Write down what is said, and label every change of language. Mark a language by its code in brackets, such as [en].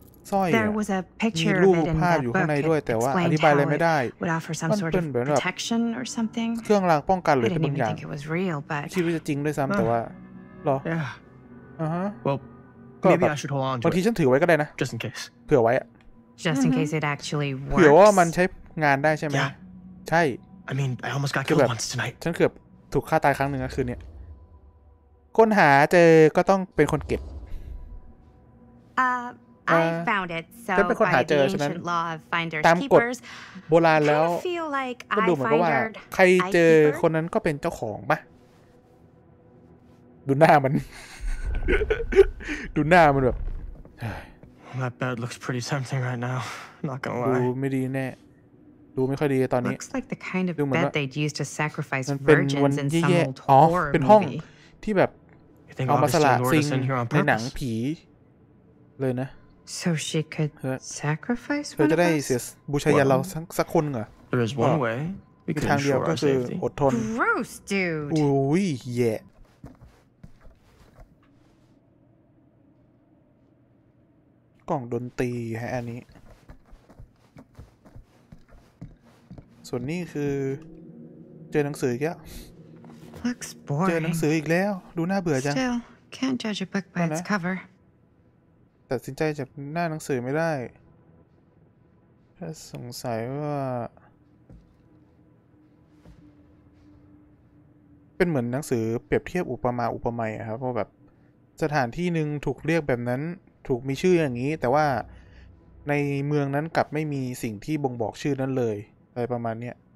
[th] สร้อยมีรูปภาพอยู่ข้างในด้วยแต่ว่าอธิบายอะไรไม่ได้มันเป็นแบบ เครื่องรางป้องกันหรืออะไรบางอย่างที่รู้จะจริงด้วยซ้ำแต่ว่าหร ออ่าฮะก็แบบ บางทีฉันถือไว้ก็ได้นะ [en] just in case [th] เผื่อไว้ [en] just in case it actually works [th] เผื่อว่ามันใช้งานได้ใช่ไหมใช่ [en] I mean I almost got killed once tonight [th] ฉันเกือบถูกฆ่าตายครั้งหนึ่งคืนนี้ค้นหาเจอก็ต้องเป็นคนเก็บ [en] I found it. So by the ancient law of finders keepers, [th] โบราณแล้ว ก็ดูเหมือนว่า ใครเจอคนนั้นก็เป็นเจ้าของป่ะดูหน้ามันดูหน้ามันแบบ [en] That bed looks pretty tempting right now. Not gonna lie. [th] ดูไม่ดีแน่ดูไม่ค่อยดีตอนนี้ [en] Looks like the kind of bed they'd use to sacrifice virgins in some old horror movie. [th] อ๋อเป็นห้อง ที่แบบเอามาสละสิ่งในหนังผีเลยนะ [en] So she could sacrifice one of us? [th] เธอจะได้บูชายันเราสักคนเหรอ [en] There is one way. We could ensure our safety. [th] อดทน [en] Gross, dude. [th] อุ้ยแย่กล่องดนตรีฮะอันนี้ส่วนนี้คือเจอหนังสืออีกแล้ว [en] Looks boring. [th] เจอหนังสืออีกแล้วดูน่าเบื่อจัง [en] Still, can't judge a book by its cover. [th] ตัดสินใจจากหน้าหนังสือไม่ได้ถ้าสงสัยว่าเป็นเหมือนหนังสือเปรียบเทียบอุปมาอุปไมยครับว่าแบบสถานที่หนึ่งถูกเรียกแบบนั้นถูกมีชื่ออย่างนี้แต่ว่าในเมืองนั้นกลับไม่มีสิ่งที่บ่งบอกชื่อนั้นเลยอะไรประมาณนี้